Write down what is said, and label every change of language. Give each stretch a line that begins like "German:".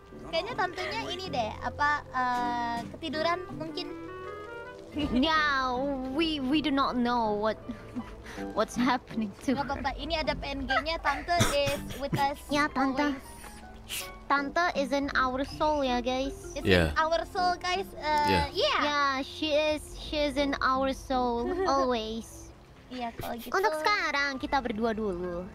Indonesian: Kayaknya tantenya ini deh, apa ketiduran mungkin.
English: Now we do not know what's happening to.
Indonesian: Enggak apa-apa, ini ada PNG-nya.
English: Tante is with us.
Indonesian: Ya, tante.
English: Tante is in our soul, ya guys. It's in our soul, guys. She is in our soul always.
Indonesian: Iya, kalau gitu. Untuk sekarang kita berdua dulu.